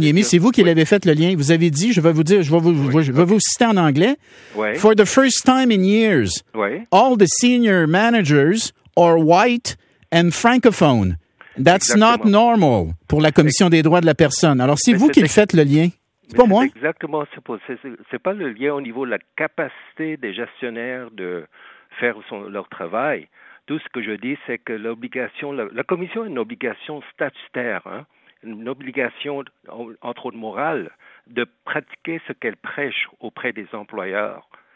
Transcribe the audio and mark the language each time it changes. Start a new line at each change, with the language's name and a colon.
French: Niémi, c'est vous qui l'avez fait le lien. Vous avez dit, je vais vous citer en anglais. Oui.
English: For the first time in years, all the senior managers are white and francophone. That's
French: exactement.
English: Not normal
French: pour la Commission des droits de la personne. Alors, c'est vous qui le faites le lien. C'est pas moi. Exactement. C'est pas le lien au niveau de la capacité des gestionnaires de faire leur travail. Tout ce que je dis, c'est que l'obligation, la commission a une obligation statutaire, une obligation, entre autres morale, de pratiquer ce qu'elle prêche auprès des employeurs.